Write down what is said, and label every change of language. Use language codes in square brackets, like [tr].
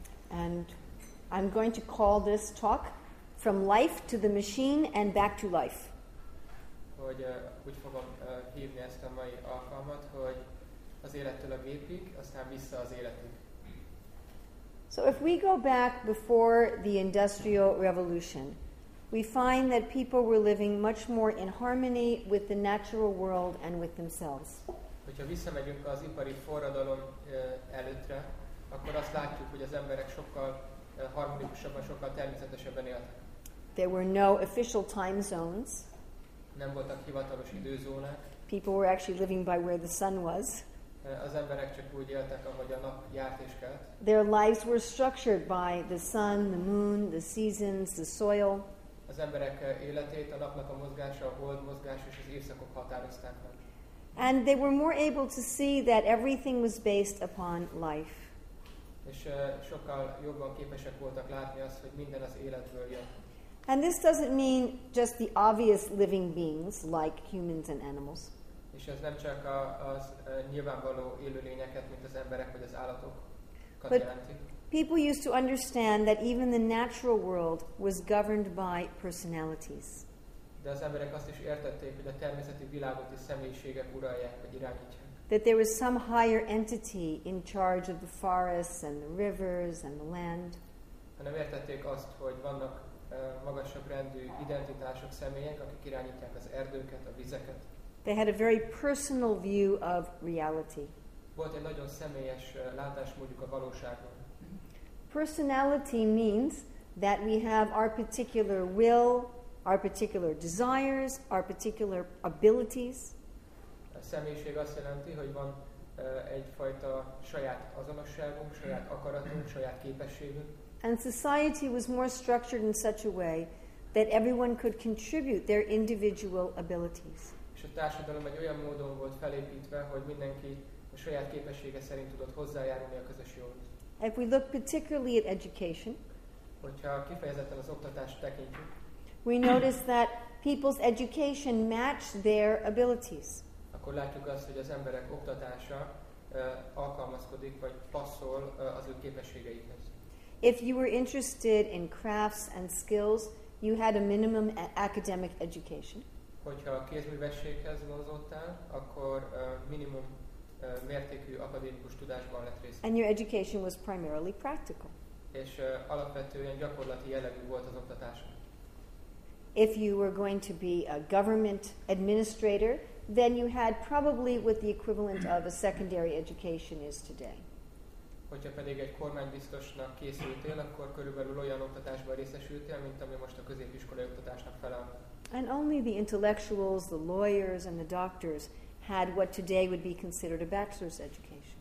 [en] And I'm going to call this talk From Life to the Machine and Back to Life. [hu] Úgy fogom hívni ezt a mai alkalmat, hogy az élettől a gépig, aztán vissza az életig. [en] So if we go back before the Industrial Revolution, we find that people were living much more in harmony with the natural world and with themselves. [hu] Hogyha visszamegyünk az ipari forradalom előttre, akkor azt látjuk, hogy az emberek sokkal harmonikusabban, sokkal természetesebben éltek. [en] There were no official time zones. [hu] Nem voltak hivatalos időzónák. [en] People were actually living by where the sun was. [hu] Az emberek csak úgy éltek, ahogy a nap járt és kelt. [en] Their lives were structured by the sun, the moon, the seasons, the soil. [hu] Az emberek életét a napnak a mozgása, a hold mozgása és az évszakok határozták meg. [en] And they were more able to see that everything was based upon life. [hu] És sokkal jobban képesek voltak látni azt, hogy minden az életből jön. [en] And this doesn't mean just the obvious living beings like humans and animals. [hu] És ez nem csak az nyilvánvaló élőlényeket, mint az emberek vagy az állatok. [en] But people used to understand that even the natural world was governed by personalities. [hu] De az emberek azt is értették, hogy a természeti világot is személyiségek uralják vagy irányítják. [en] That there was some higher entity in charge of the forests and the rivers and the land. [hu] Hanem értették azt, hogy vannak magasabb rendű identitások, személyek, akik irányítják az erdőket, a vizeket. [en] They had a very personal view of reality. [hu] Volt egy nagyon személyes látásmódjuk a valóságban. [en] Personality means that we have our particular will, our particular desires, our particular abilities. [hu] A személyiség azt jelenti, hogy van egyfajta saját azonosságunk, saját akaratunk, saját képességünk. [en] And society was more structured in such a way that everyone could contribute their individual abilities. [hu] És a társadalom egy olyan módon volt felépítve, hogy mindenki a saját képessége szerint tudott hozzájárulni a közös jóhoz. [en] If we look particularly at education, [hu] hogyha kifejezetten az oktatást tekintjük, [en] we notice that people's education matched their abilities. [hu] Akkor látjuk azt, hogy az emberek oktatása alkalmazkodik vagy passzol az ő képességeihez. [en] If you were interested in crafts and skills, you had a minimum academic education. [hu] Hogyha a kézművességhez vonzottál, akkor minimum mértékű akadémikus tudásban lett részt. [en] And your education was primarily practical. [hu] És alapvetően gyakorlati jellegű volt az oktatása. [en] If you were going to be a government administrator, then you had probably what the equivalent of a secondary education is today. [hu] Hogyha pedig egy kormánybiztosnak készültél, akkor körülbelül olyan oktatásban részesültél, mint ami most a középiskolai oktatásnak felel. [en] And only the intellectuals, the lawyers and the doctors had what today would be considered a bachelor's education.